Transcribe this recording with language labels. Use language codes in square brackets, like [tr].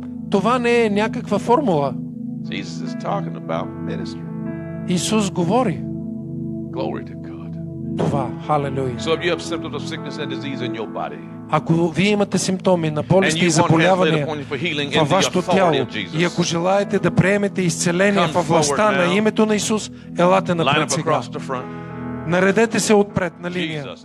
[bg] Това не е някаква формула. [en] Jesus is talking about ministry. [bg] Исус говори. [en] Glory to God. [bg] Това, халелуя. [en] So if you have symptoms of sickness and disease in your body. [bg] Ако вие имате симптоми на болести и заболявания във вашето тяло и ако желаете да приемете изцеление във властта на името на Исус, елате напред сега. Наредете се отпред на линия.